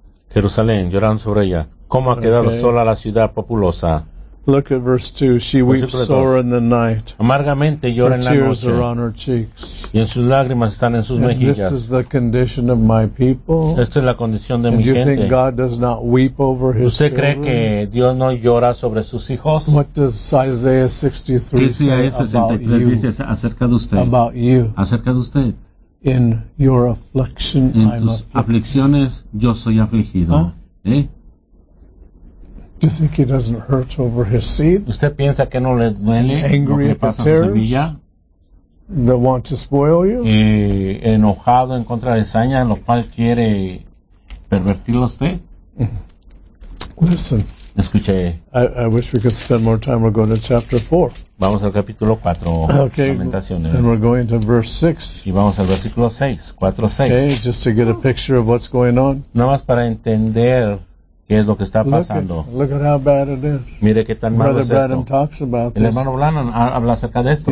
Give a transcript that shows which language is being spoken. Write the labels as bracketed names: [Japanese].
[Spanish] Jerusalén, llorando sobre ella. ¿Cómo ha quedado sola la ciudad populosa? [English] Look at verse 2. She weeps sore in the night. [Spanish] Amargamente llora en la noche. [English] Her tears are on her cheeks. [Spanish] Y en sus lágrimas están en sus mejillas. [English] This is the condition of my people. [Spanish] Esta es la condición de mi [English] gente. Do you think God does not weep over his [Spanish] children? ¿Usted cree que Dios no llora sobre sus hijos? [English] What does Isaiah 63 say about you? About you. [Spanish] Acerca de usted. [English] In your affliction, I'm afflicted. [Spanish] En tus aflicciones, yo soy afligido. [English] Do you think he doesn't hurt over his seed? [Spanish] ¿Usted piensa que no le duele? [English] Angry [Spanish] lo que le pasa [English] at the tares, [Spanish] a su semilla? [English] That want to spoil you? [Spanish] Enojado en contra de saña, lo cual quiere pervertirlo usted? [English] Listen. [Spanish] Escuche. [English] I wish we could spend more time. We're going to chapter 4. [Spanish] Vamos al capítulo 4, [English] okay, [Spanish] Lamentaciones. [English] And we're going to verse 6. [Spanish] Y vamos al versículo 6, 4, 6. [English] Okay, just to get a picture of what's going on. [Spanish] Nada más para entender qué es lo que está pasando. [English] Look at how bad it is. [Spanish] Mire qué tan [English] Brother [Spanish] malo es [English] Branham [Spanish] esto. [English] Talks about [Spanish] el hermano Branham habla acerca de esto.